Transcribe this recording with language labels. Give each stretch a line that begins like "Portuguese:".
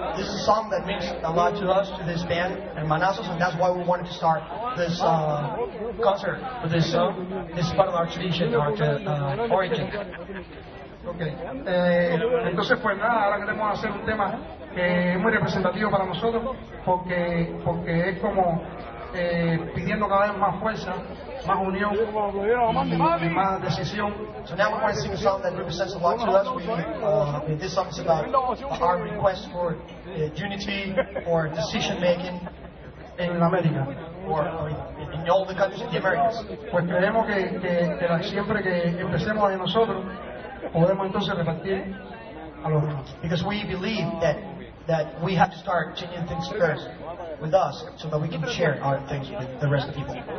English: This is a song that means a lot to us, to this band, Hermanazos, and that's why we wanted to start this concert with this song. This is part of our tradition, our origin. Okay.
Spanish: Entonces, pues nada, ahora queremos hacer un tema que es muy representativo para nosotros, porque es como pidiendo cada vez más fuerza, más unión y más decisión.
English: So now we're going to sing a song that represents a lot to us. This song is about our request for unity or decision making in America or in all the countries in the Americas.
Spanish: Pues creemos que siempre que empecemos de nosotros podemos entonces repartir a los demás.
English: Because we believe that we have to start changing things first with us so that we can share our things with the rest of people.